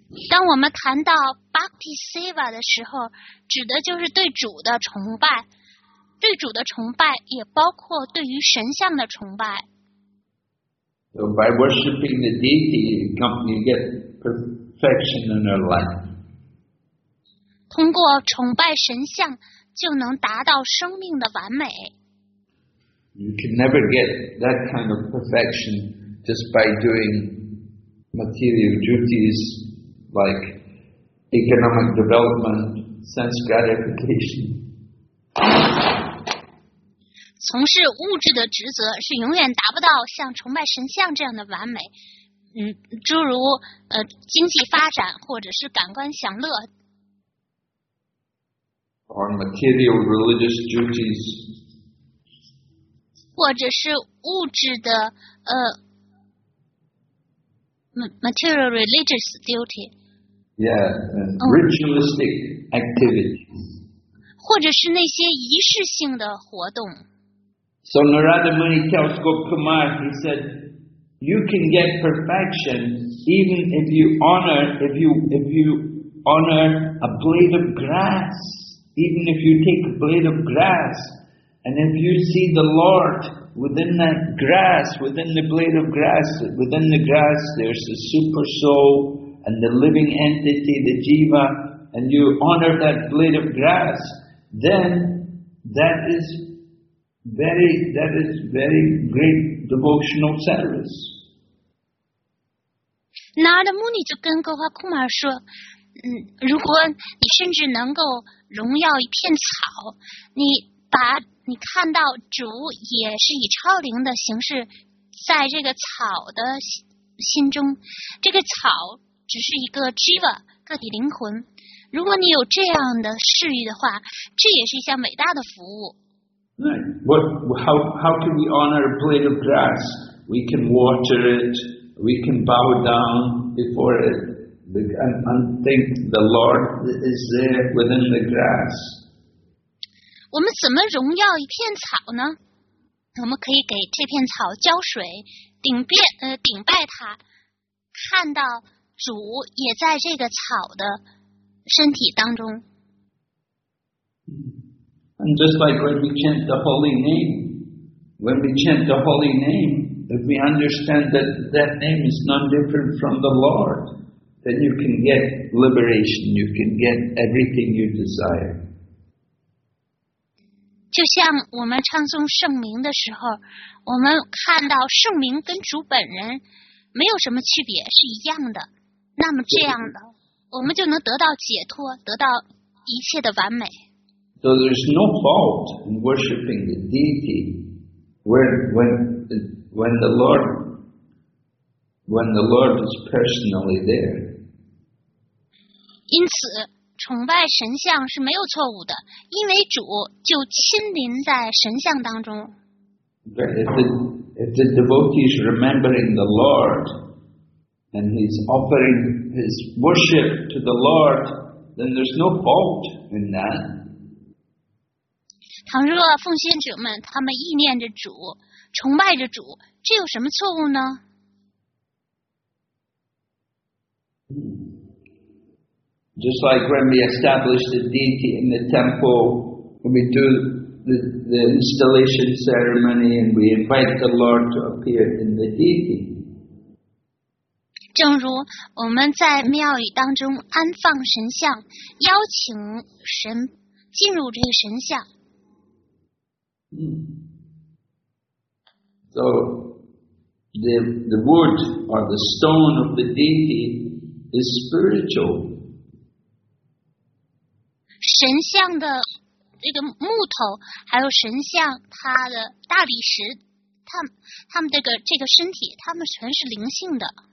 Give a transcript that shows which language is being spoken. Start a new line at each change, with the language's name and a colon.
Chinese: 当我们谈到 bhakti seva 的时候，指的就是对主的崇拜，对主的崇拜也包括对于神像的崇拜。
English: So by worshipping the deity, you get perfection in your life.
Chinese: 通过崇拜神像就能达到生命的完美。
English: You can never get that kind of perfection just by doing material duties like economic development, sense gratification.
Chinese: 从事物质的职责是永远达不到像崇拜神像这样的完美，诸如经济发展或者是感官享乐。
English: Or material religious duties.
Chinese: 或者是物质的
English: material religious duty. Yeah, ritualistic activities.
Chinese: 或者是那些仪式性的活动。
English: So Narada Muni tells Gopkumar, he said, you can get perfection even if you honor a blade of grass, even if you take a blade of grass, and if you see the Lord within that grass, within the blade of grass, within the grass there's the super soul and the living entity, the jiva, and you honor that blade of grass, then that is very great devotional service.
Chinese: Narada Muni 就跟 Gopakumar 说，如果你甚至能够荣耀一片草，你把你看到主也是以超灵的形式在这个草的心中，这个草只是一个 jiva 个体灵魂。如果你有这样的视域的话，这也是一项伟大的服务。
English: Right. How can we honor a blade of grass? We can water it. We can bow down before it and think the Lord is there within the grass.
Chinese: 我们怎么荣耀一片草呢？我们可以给这片草浇水，顶拜它，看到主也在这个草的身体当中。
English: And just like when we chant the holy name, if we understand that that name is none different from the Lord, then you can get liberation, you can get everything you desire.
Chinese: 就像我们唱诵圣名的时候，我们看到圣名跟主本人没有什么区别，是一样的。那么这样的，我们就能得到解脱，得到一切的完美。
English: So there's no fault in worshipping the deity when the Lord is personally there.
Chinese: 因此，崇拜神像是没有错误的，因为主就亲临在神像当中。
English: But if the devotee is remembering the Lord, and he's offering his worship to the Lord, then there's no fault in that.
Chinese: 倘若奉献者们他们意念着主，崇拜着主，这有什么错误呢？
English: Just like when we establish the deity in the temple, when we do the installation ceremony and we invite the Lord to appear in the deity.
Chinese: 正如我们在庙宇当中安放神像，邀请神进入这个神像。
English: So, the wood or the stone of the deity is spiritual.
Chinese: 神像的这个木头，还有神像它的大理石，它们这个身体，它们全是灵性的。